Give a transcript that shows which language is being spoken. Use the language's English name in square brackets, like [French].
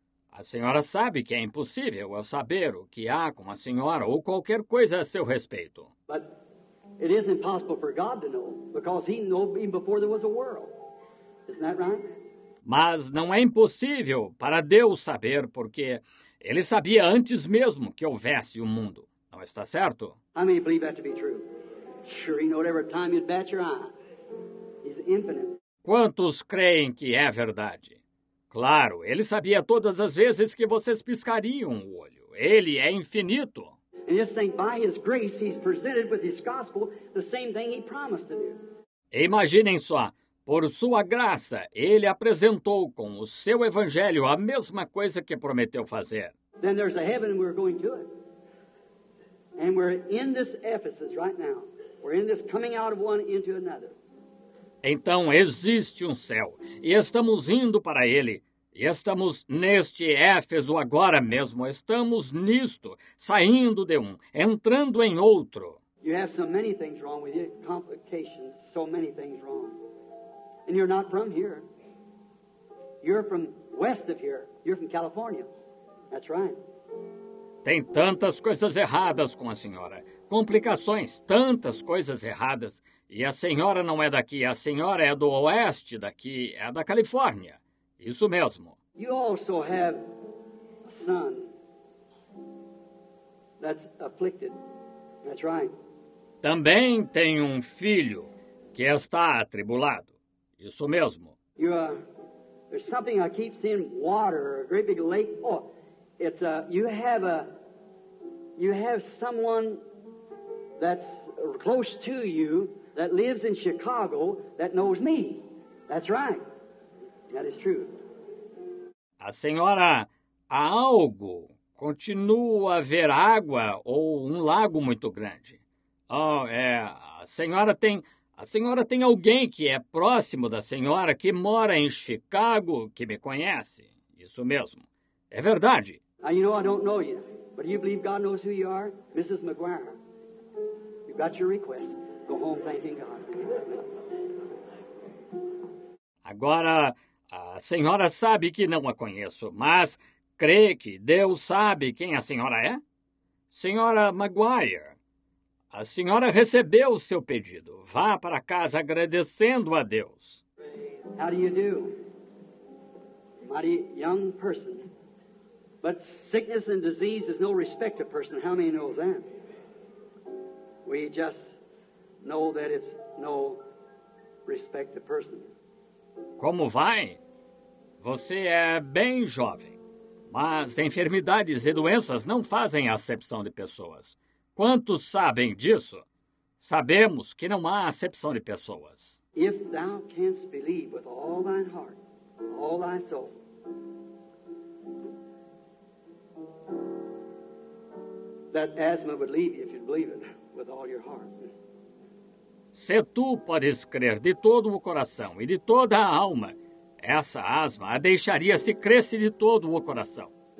[Portuguese] A senhora sabe que é impossível eu saber o que há com a senhora ou qualquer coisa a seu respeito. [English] But it is impossible for God to know, because he knew even before there was a world. Isn't that right? [Portuguese] Mas não é impossível para Deus saber, porque ele sabia antes mesmo que houvesse um mundo. Não está certo? [English] I mean, believe that to be true. Sure, he knowed every time you'd bat your eye. He's infinite. [Portuguese] Quantos creem que é verdade? Claro, ele sabia todas as vezes que vocês piscariam o olho. Ele é infinito. [English] And this thing, by his grace, he's presented with his gospel the same thing he promised to do. [Portuguese] Imaginem só, por sua graça, ele apresentou com o seu evangelho a mesma coisa que prometeu fazer. [English] Then there's a heaven and we're going to it. And we're in this Ephesus right now. We're in this coming out of one into another. [Portuguese] Então existe um céu, e estamos indo para ele, e estamos neste Éfeso agora mesmo, estamos nisto, saindo de um, entrando em outro. [English] You have so many things wrong with you, complications, so many things wrong. And you're not from here. You're from west of here, you're from California. That's right. [Portuguese] Tem tantas coisas erradas com a senhora, complicações, tantas coisas erradas. E a senhora não é daqui, a senhora é do oeste daqui, é da Califórnia. Isso mesmo. [English] You also have a son that's afflicted. That's right. [Portuguese] Também tem um filho que está atribulado. Isso mesmo. [English] You there's something I keep seeing, water, a great big lake. Oh, it's a, you have someone that's close to you. That lives in Chicago, that knows me. That's right. That is true. [Portuguese] A senhora, há algo. Continua a ver água ou um lago muito grande. Oh, é. A senhora tem alguém que é próximo da senhora, que mora em Chicago, que me conhece. Isso mesmo. É verdade. [English] Now, you know, I don't know you. But do you believe God knows who you are? Mrs. McGuire, you've got your request. Go home thanking God. [Portuguese] Agora, a senhora sabe que não a conheço, mas crê que Deus sabe quem a senhora é? Senhora Maguire, a senhora recebeu o seu pedido. Vá para casa agradecendo a Deus. [English] How do you do? Mighty young person. But sickness and disease is no respect of person. How many knows that? We just know that it's no respect to person. [Portuguese] Como vai? Você é bem jovem, mas enfermidades e doenças não fazem acepção de pessoas. Quantos sabem disso? Sabemos que não há acepção de pessoas. [English] If thou canst believe with all thine heart, all thy soul, that asthma would leave you if you'd believe it with all your heart. [Portuguese] Se tu podes crer de todo o coração e de toda a alma, essa asma a deixaria se cresse de todo o coração.